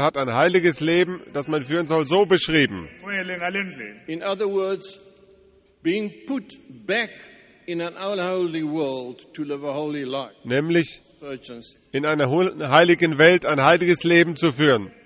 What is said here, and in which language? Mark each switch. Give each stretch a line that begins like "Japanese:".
German: hat ein heiliges Leben, das man führen soll, so beschrieben.
English: In other words, being put back in an unholy world to live a holy life.
German: Nämlich in einer heiligen Welt ein heiliges Leben zu führen.